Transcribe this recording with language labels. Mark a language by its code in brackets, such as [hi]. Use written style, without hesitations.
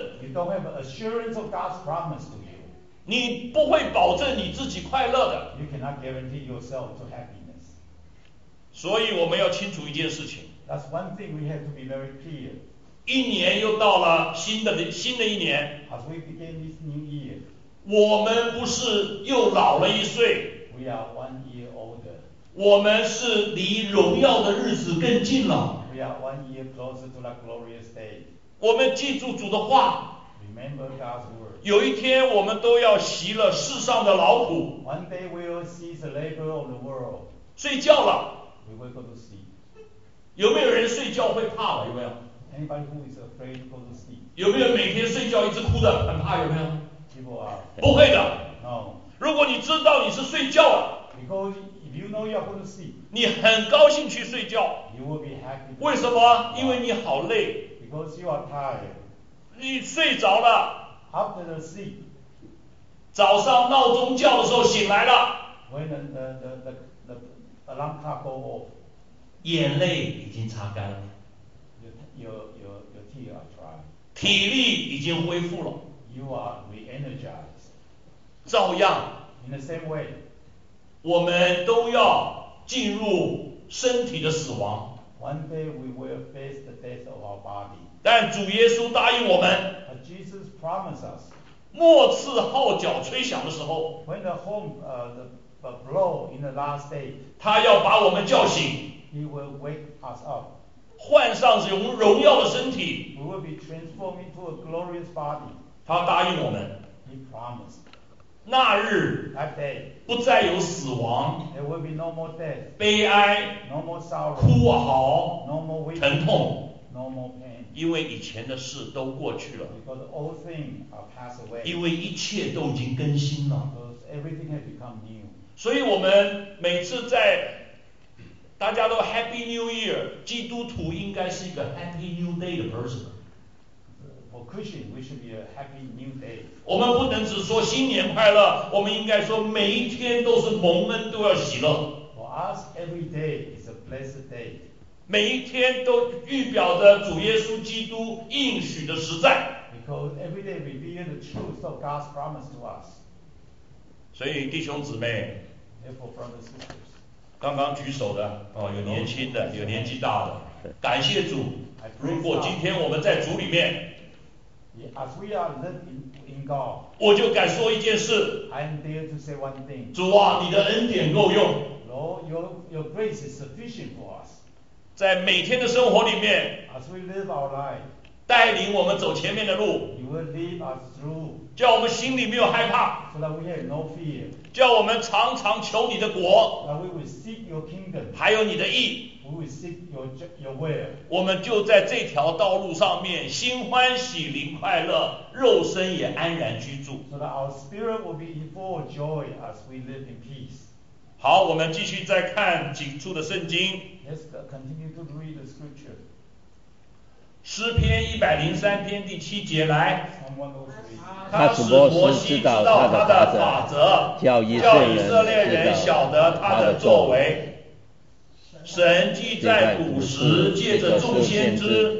[en] You don't have assurance of God's promise to you。 [zh] 你不会保证你自己快乐的。 [en] You cannot guarantee yourself to happiness. [zh] 所以我们要清楚一件事情。 [en] That's one thing we have to be very clear. [zh] 一年又到了新的一年。 [en] As we begin this new year. [zh] 我们不是又老了一岁。 [en] We are 1 year older. [zh] 我们是离荣耀的日子更近了。 [en] We are 1 year closer to the glorious day. [zh] 我们记住主的话。 [en] Remember God's word. [zh] 有一天我们都要习了世上的劳苦。 [en] One day we'll see the labor of the world. [zh] 睡觉了。 [en] We will go to sleep. [zh] 有没有人睡觉会怕了？有没有 [en] ？Anybody who is afraid to go to sleep. [zh] 有没有每天睡觉一直哭的，很怕？有没有 [en] ？People are. [zh] 不会的。 [en] No. [zh] 如果你知道你是睡觉了 [en] ，Because if you know you're going to sleep. [zh] 你很高兴去睡觉。 [en] You will be happy. [zh] 为什么？因为你好累。 [en] Because you are tired. [zh] 你睡着了 [en] After the sleep, [zh] 早上闹钟叫的时候醒来了 [en] When the alarm clock go off, [zh] 眼泪已经擦干了 [en] your tears are dry, [zh] 体力已经恢复了 [en] You are re-energized, [zh] 照样 [en] In the same way, [zh] 我们都要进入身体的死亡 [en] One day we will face the death of our body. [zh] 但主耶稣答应我们 [en] Jesus promised us, [zh] 末次号角吹响的时候 [en] when the home, the blow in the last day, [zh] 他要把我们叫醒 [en] he will wake us up, [zh] 换上荣耀的身体 [en] we will be transformed into a glorious body, [zh] 他答应我们 [en] he promised, [zh] 那日 [en] that day, [zh] 不再有死亡 [en] there will be no more death, [zh] 悲哀 [en] no more sorrow, [zh] 哭嚎 [en] no more waiting, [zh] 疼痛 [en] No more pain. [zh] 因为以前的事都过去了 [en] Because all things are passed away. [zh] 因为一切都已经更新了 [en] Because everything has become new. [zh] 所以我们每次在大家都 [en] Happy New Year [zh] 基督徒应该是一个 [en] Happy New Day [zh] 的 person [en] For Christian we should be a Happy New Day [zh] 我们不能只说新年快乐我们应该说每一天都是蒙恩都要喜乐 [en] For us every day is a blessed day [zh] 每一天都预表着主耶稣基督应许的实在 [en] Because every day reveals the truth of God's promise to us [zh] 所以弟兄姊妹 [en] Therefore brothers and sisters [zh] 刚刚举手的、哦、有年轻的有年纪大的感谢主如果今天我们在主里面 [en] As we are living in God [zh] 我就敢说一件事 [en] I'm there to say one thing [zh] 主啊你的恩典够用 [en] Lord your grace is sufficient for us [zh] 在每天的生活里面 [en] As we live our life, [zh] 带领我们走前面的路 [en] you will lead us through, [zh] 叫我们心里没有害怕 [en] so that we have no fear, [zh] 叫我们常常求你的国 [en] that we will seek your kingdom, [zh] 还有你的义 [en] we will seek your will, [zh] 我们就在这条道路上面心欢喜灵快乐肉身也安然居住 [en] so that our spirit will be full of joy as we live in peace [zh] 好我们继续再看几处的圣经 [en] Let's continue to read the scripture [zh] 诗篇103篇第七节来他主播是知道他的法则叫以色列人晓得他的作为神既在古时借着众先知